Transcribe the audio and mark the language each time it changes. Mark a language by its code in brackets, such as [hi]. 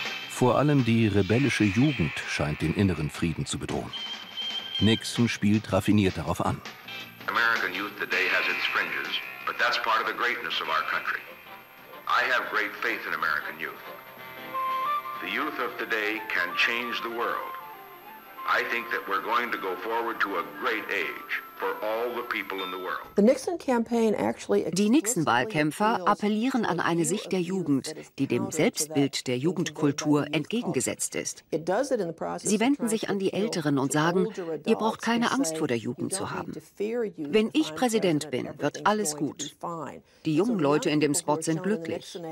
[de] Vor allem die rebellische Jugend scheint den inneren Frieden zu bedrohen. Nixon spielt raffiniert darauf an. [en] American youth today has its fringes, but that's part of the greatness of our country. I have great faith in American youth. The youth of today can change the world. I think that we're going to go forward to a great age for all the people in the world. [de] Die Nixon-Wahlkämpfer appellieren an eine Sicht der Jugend, die dem Selbstbild der Jugendkultur entgegengesetzt ist. Sie wenden sich an die Älteren und sagen, ihr braucht keine Angst vor der Jugend zu haben. Wenn ich Präsident bin, wird alles gut. Die jungen Leute in dem Spot sind glücklich.